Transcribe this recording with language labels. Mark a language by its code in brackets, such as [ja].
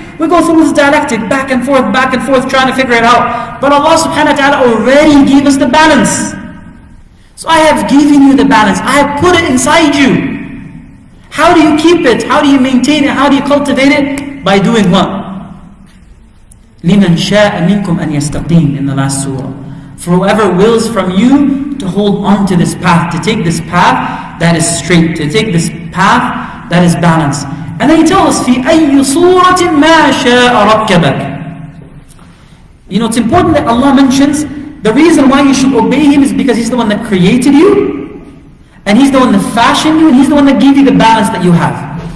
[en] We go through this dialectic, back and forth, trying to figure it out. But Allah subhanahu wa ta'ala already gave us the balance. So I have given you the balance. I have put it inside you. How do you keep it? How do you maintain it? How do you cultivate it? By doing what? [ar] لِمَنْ شَاءَ مِنْكُمْ أَنْ يَسْتَقِيمُ [en] in the last surah. For whoever wills from you to hold on to this path, to take this path that is straight, to take this path that is balanced. And then he tells us, [ar] فِي أَيُّ صُورَةٍ مَا شَاءَ رَكَّبَكَ. [en] You know, it's important that Allah mentions the reason why you should obey him is because he's the one that created you, and he's the one that fashioned you, and he's the one that gave you the balance that you have.